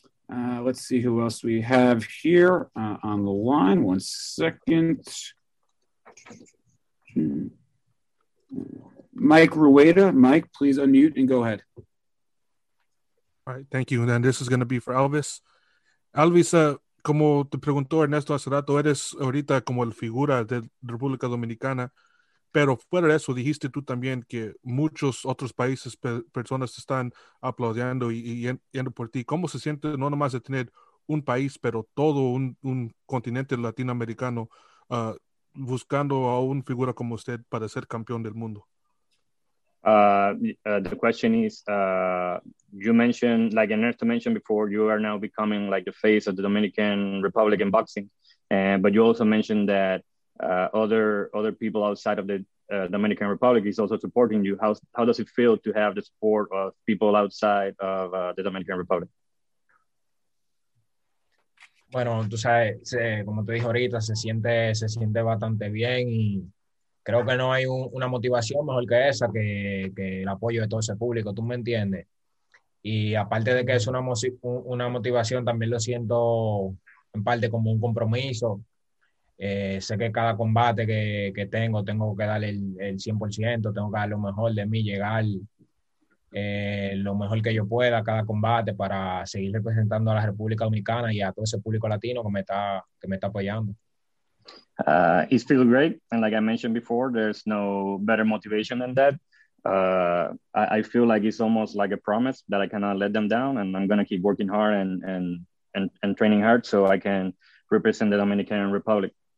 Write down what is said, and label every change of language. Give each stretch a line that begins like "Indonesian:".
English: Let's see who else we have here on the line. One second. Mike Rueda. Mike, please unmute and go ahead. All right, thank you. And then this is going to be for Elvis.
Spanish: Elvis, como te preguntó Ernesto hace rato, eres ahorita como el figura de República Dominicana, pero fuera de eso, dijiste tú también que muchos otros países, personas están aplaudiendo y yendo por ti. ¿Cómo se siente no nomás de tener un país, pero todo un continente latinoamericano buscando a un figura como usted para ser campeón del mundo?
English: The question is, you mentioned, like Ernesto mentioned before, you are now becoming like the face of the Dominican Republic in boxing. But you also mentioned that other people outside of the Dominican Republic is also supporting you. How does it feel to have the support of people outside of the Dominican Republic?
Spanish: Bueno, tú sabes, como te dije ahorita, se siente bastante bien y creo que no hay una motivación mejor que esa, que el apoyo de todo ese público, tú me entiendes. Y aparte de que es una motivación, también lo siento en parte como un compromiso. Sé que cada combate que tengo que darle el 100%, tengo que dar lo mejor de mí, llegar lo mejor que yo pueda a cada combate para seguir representando a la República Dominicana y a todo ese público latino que me está apoyando.
English: It feels great, and like I mentioned before, there's no better motivation than that. I feel like it's almost like a promise that I cannot let them down, and I'm going to keep working hard and training hard so I can represent the Dominican Republic.